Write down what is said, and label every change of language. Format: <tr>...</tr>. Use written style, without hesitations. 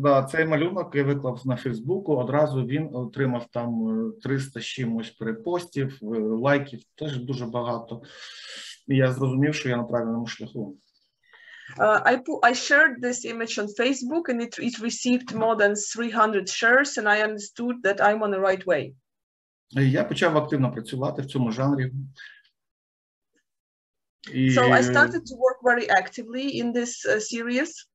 <uk>Цей малюнок я виклав на Фейсбуку, одразу він отримав там 300 чимось перепостів, лайків, теж дуже багато. І я зрозумів, що я на правильному шляху.</uk> <en>I shared this image on Facebook and it received more than 300 shares, and I understood that I'm on the right way.</en> <uk>Я почав активно працювати в цьому жанрі.</uk> <en>So I started to work very actively in this series.</en>